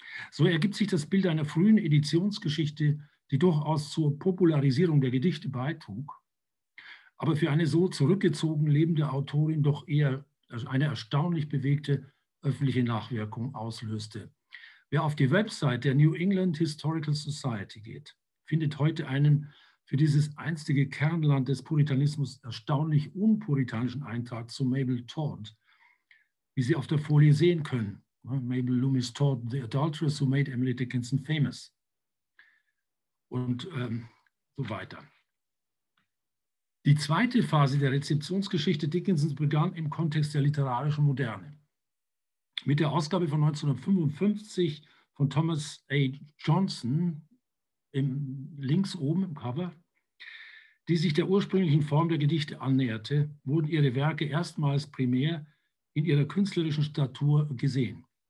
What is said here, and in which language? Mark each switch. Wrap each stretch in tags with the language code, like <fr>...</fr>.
<de>So ergibt sich das Bild einer frühen Editionsgeschichte, die durchaus zur Popularisierung der Gedichte beitrug, aber für eine so zurückgezogen lebende Autorin doch eher eine erstaunlich bewegte öffentliche Nachwirkung auslöste. Wer auf die Website der New England Historical Society geht, findet heute einen für dieses einstige Kernland des Puritanismus erstaunlich unpuritanischen Eintrag zu Mabel Todd, wie Sie auf der Folie sehen können.</de> <en>Mabel Loomis Todd, the adulteress who made Emily Dickinson famous.</en> <de>Und so weiter. Die zweite Phase der Rezeptionsgeschichte Dickinsons begann im Kontext der literarischen Moderne. Mit der Ausgabe von 1955 von Thomas A. Johnson, links oben im Cover, die sich der ursprünglichen Form der Gedichte annäherte, wurden ihre Werke erstmals primär in ihrer künstlerischen Statur gesehen.</de>